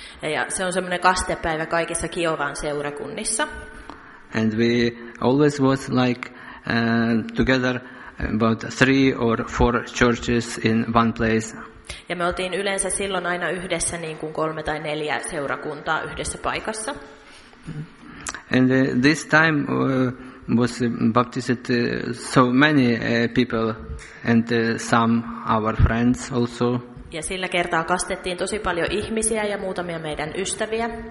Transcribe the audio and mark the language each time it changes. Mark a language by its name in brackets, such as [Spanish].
[Finnish] Ja se on semmoinen kastepäivä kaikissa Kiovan seurakunnissa. [English] And we always was like together about 3 or 4 churches in one place. [Finnish] Ja me oltiin yleensä silloin aina yhdessä niin kuin 3 tai 4 seurakuntaa yhdessä paikassa. [English] And this time was baptized so many people and some our friends also. [Finnish] Ja sillä kertaa kastettiin tosi paljon ihmisiä ja muutamia meidän ystäviä.